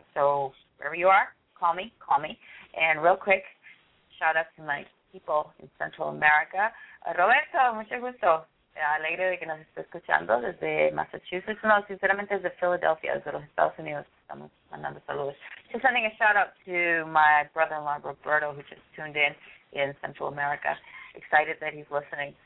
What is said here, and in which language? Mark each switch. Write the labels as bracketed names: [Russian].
[English] So wherever you are, call me. And real quick, shout out to my people in Central America. [Spanish] Roberto, mucho gusto. Alegre de que nos esté escuchando desde Massachusetts. No, sinceramente desde Philadelphia, desde los Estados Unidos. Estamos mandando saludos. [English] Just sending a shout out to my brother-in-law, Roberto, who just tuned in Central America. Excited that he's listening.